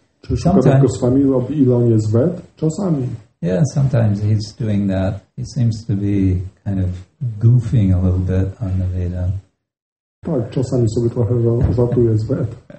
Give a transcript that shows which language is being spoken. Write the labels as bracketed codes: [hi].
[pl] Czy Shukadev Goswami robi ironię z Ved? Czasami. [en] Yeah, sometimes he's doing that. He seems to be kind of goofing a little bit on the Veda. [pl] Tak, czasami sobie trochę żartuje z Ved.